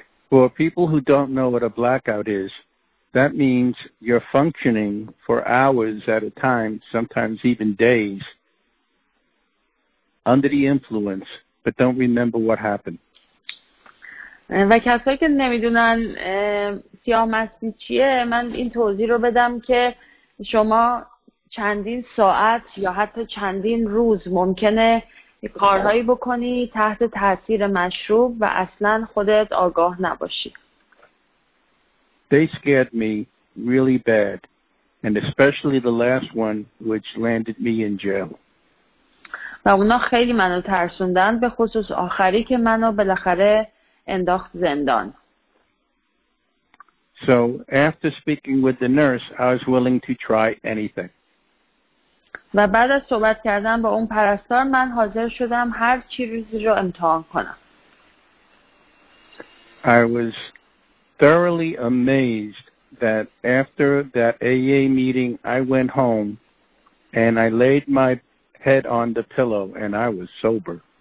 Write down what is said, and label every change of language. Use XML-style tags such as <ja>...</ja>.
<en>For people who don't know what a blackout is, that means you're functioning for hours at a time, sometimes even days, under the influence, but don't remember what happened.</en> <fa>و کسایی که نمیدونن سیاه مستی چیه، من این توضیح رو بدم که شما چندین ساعت یا حتی چندین روز ممکنه کارهایی بکنی تحت تاثیر مشروب و اصلا خودت آگاه نباشی.</fa> <en>They scared me really bad, and especially the last one, which landed me in jail.</en> <fa>و اونا خیلی منو ترسوندن، به خصوص آخری که منو بالاخره انداخت زندان.</fa> <en>So after speaking with the nurse, I was willing to try anything.</en> <fa>و بعد از صحبت کردن با اون پرستار من حاضر شدم هر چیزی رو امتحان کنم.</fa> <en>I was thoroughly amazed that after that AA meeting, I went home and I laid my head on the pillow and I was sober.</en>